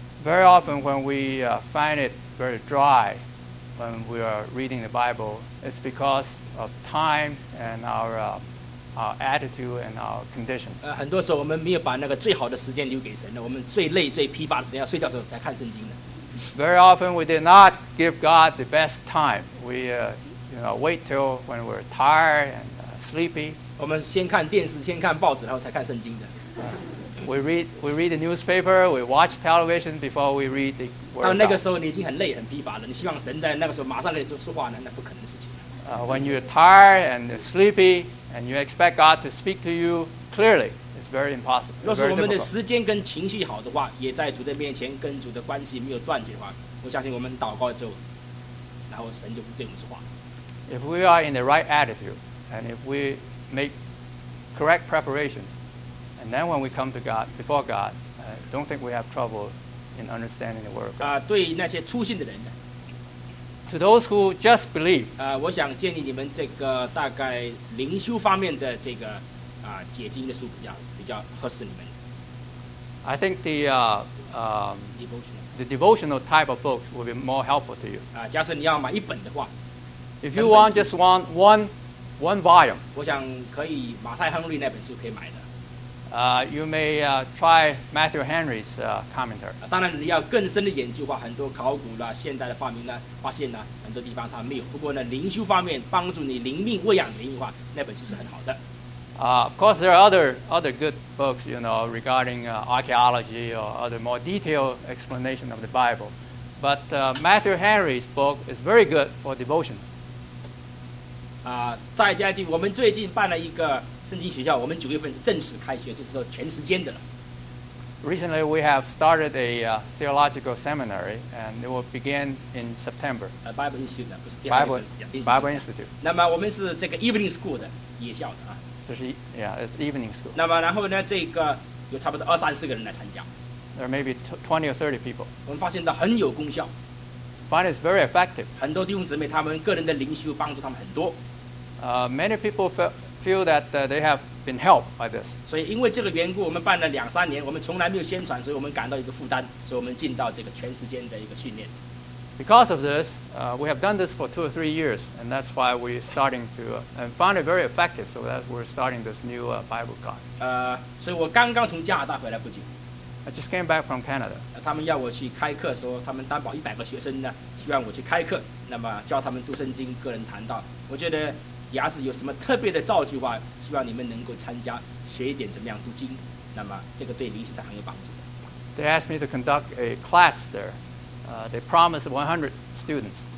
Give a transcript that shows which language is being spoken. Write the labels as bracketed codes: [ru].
[en] Very often when we find it very dry when we are reading the Bible, it's because of time and our attitude and our condition. [zh] 很多时候我们没有把那个最好的时间留给神的，我们最累最疲乏的时间，要睡觉的时候才看圣经的。 [en] Very often we did not give God the best time. We wait till when we're tired and sleepy. [zh] 我们先看电视，先看报纸，然后才看圣经的。 [en] We read the newspaper, we watch television before we read the word. [zh] 到那个时候你已经很累很疲乏了，你希望神在那个时候马上跟你说话呢？那不可能的事情。 [en] When you're tired and sleepy and you expect God to speak to you clearly, it's very impossible. [zh] 若是我们的时间跟情绪好的话，也在主的面前跟主的关系没有断绝的话，我相信我们祷告之后，然后神就不对我们说话。 [en] If we are in the right attitude and if we make correct preparation, and then when we come to God before God, I don't think we have trouble in understanding the word of God. [zh] 对那些初信的人呢？ [en] To those who just believe, [zh] 我想建议你们这个大概灵修方面的这个解经的书比较合适你们。 [en] I think the devotional type of books will be more helpful to you. [zh] 假设你要买一本的话 [en] ，If you want just want one volume, [zh] 我想可以马太亨利那本书可以买的。 [en] You may try Matthew Henry's commentary. [zh] 当然，你要更深的研究的话，很多考古啦、现代的发明啦、发现啦，很多地方它没有。不过呢，灵修方面帮助你灵命喂养灵的话，那本书是很好的。 [en] Of course, there are other good books, you know, regarding archaeology or other more detailed explanation of the Bible. But Matthew Henry's book is very good for devotion. [zh] 再加一句，我们最近办了一个。圣经学校，我们九月份是正式开学，就是说全时间的了。 [en] Recently, we have started a theological seminary, and it will begin in September. Bible Institute [zh] 不是 [en] Bible Institute. [zh] 那么我们是这个 [en] evening school [zh] 的夜校的啊。这是 [en] it's evening school. [zh] 那么然后呢，这个有差不多二三十个人来参加。 [en] There may be 20 or 30 people. [zh] 我们发现到很有功效。 [en] Find it's very effective. [zh] 很多弟兄姊妹他们个人的灵修帮助他们很多。 [en] Many people feel that they have been helped by this. [zh] 所以因为这个缘故，我们办了两三年，我们从来没有宣传，所以我们感到一个负担，所以我们进到这个全时间的一个训练。 [en] Because of this, we have done this for 2 or 3 years, and that's why we're starting to and found it very effective. So that we're starting this new Bible class. [zh] 所以我刚刚从加拿大回来不久。 [en] I just came back from Canada. [zh] 他们要我去开课，说他们担保一百个学生呢，希望我去开课，那么教他们读圣经、个人谈道。我觉得。要是有什么特别的造句话，希望你们能够参加学一点怎么样读经，那么这个对灵修是很有帮助的。 [en] They asked me to conduct a class there. They promised 100 students.